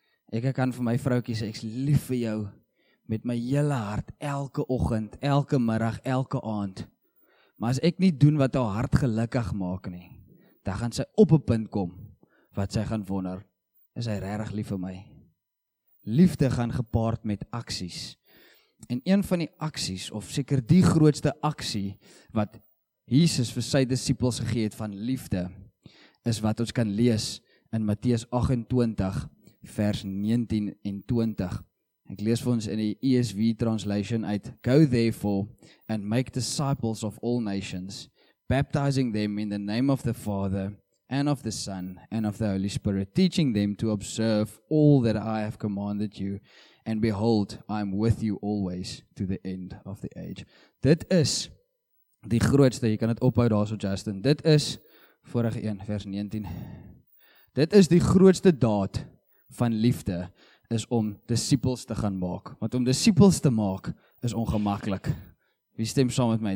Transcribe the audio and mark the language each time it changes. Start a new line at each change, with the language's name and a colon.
Afrikaans: Ek kan vir my vroukie sê, ek's lief vir jou met my hele hart, elke oggend, elke middag, elke aand. Maar as ek nie doen wat haar hart gelukkig maak nie, dan gaan sy op 'n punt kom, wat sy gaan wonder, is hy regtig lief vir my? Liefde gaan gepaard met aksies. En een van die aksies, of seker die grootste aksie, wat Jesus vir sy disippels gegee het van liefde, is wat ons kan lees in Matteus 28 vers 19 en 20. Ek lees vir ons in die ESV translation uit,
English: "Go therefore and make disciples of all nations, baptizing them in the name of the Father and of the Son and of the Holy Spirit, teaching them to observe all that I have commanded you, and behold, I am with you always to the end of the age."
Afrikaans: Dit is die grootste, jy kan dit ophou daar so Justin, dit is, vorige 1 vers 19, dit is die grootste daad van liefde, is om disciples te gaan maak. Want om disciples te maak, is ongemaklik. Wie stem saam met my?